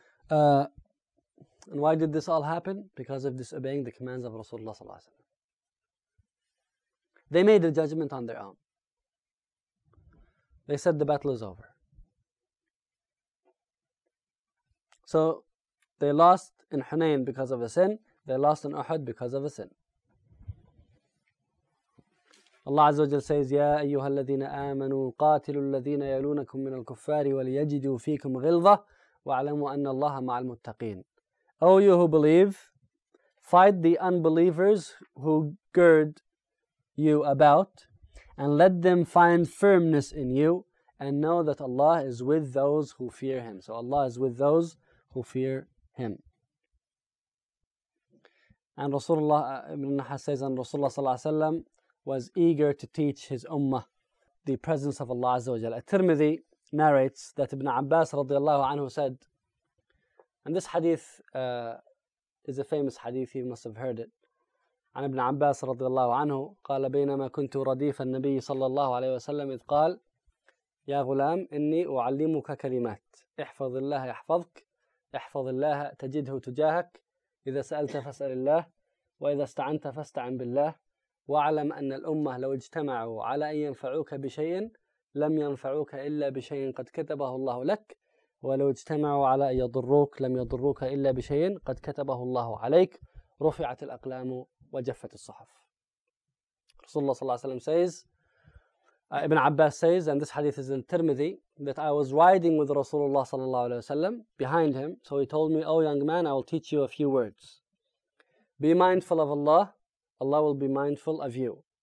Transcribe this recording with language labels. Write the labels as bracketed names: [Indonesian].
[English] And why did this all happen? Because of disobeying the commands of Rasulullah sallallahu alaihi wasallam. They made a judgment on their own. They said the battle is over. So they lost in Hunayn because of a sin. They lost in Uhud because of a sin. Allah Azza wa Jalla says, [Arabic] يَا أَيُّهَا الَّذِينَ آمَنُوا قَاتِلُوا الَّذِينَ يَلُونَكُمْ مِنَ الْكُفَّارِ وَلِيَجِدُوا فِيكُمْ غِلْظَةِ وَعْلَمُوا أَنَّ اللَّهَ مَعَ الْمُتَّقِينَ. [English] O you who believe, fight the unbelievers who gird you about, and let them find firmness in you, and know that Allah is with those who fear Him. So Allah is with those who fear Him. And Rasulullah ibn Nahas says, and Rasulullah sallallahu alayhi wa sallam was eager to teach his ummah the presence of Allah Azza wa Jalla. At-Tirmidhi narrates that Ibn Abbas radiallahu anhu said, and this hadith is a famous hadith, you must have heard it, [Arabic] عن ابن عباس رضي الله عنه قال بينما كنت رديف النبي صلى الله عليه وسلم إذ قال يا غلام إني أعلمك كلمات احفظ الله يحفظك احفظ الله تجده تجاهك إذا سألت فاسأل الله وإذا استعنت فاستعن بالله واعلم أن الأمة لو اجتمعوا على أن ينفعوك بشيء لم ينفعوك إلا بشيء قد كتبه الله لك ولو اجتمعوا على أن يضروك لم يضروك إلا بشيء قد كتبه الله عليك رفعت الأقلام وجفت الصحف. رسول الله صلى الله عليه وسلم [English] says, Ibn Abbas says, and this hadith is in Tirmidhi, that I was riding with Rasulullah [Arabic] صلى الله عليه وسلم [English] behind him, so he told me, oh young man, I will teach you a few words. Be mindful of Allah, Allah will be mindful of you.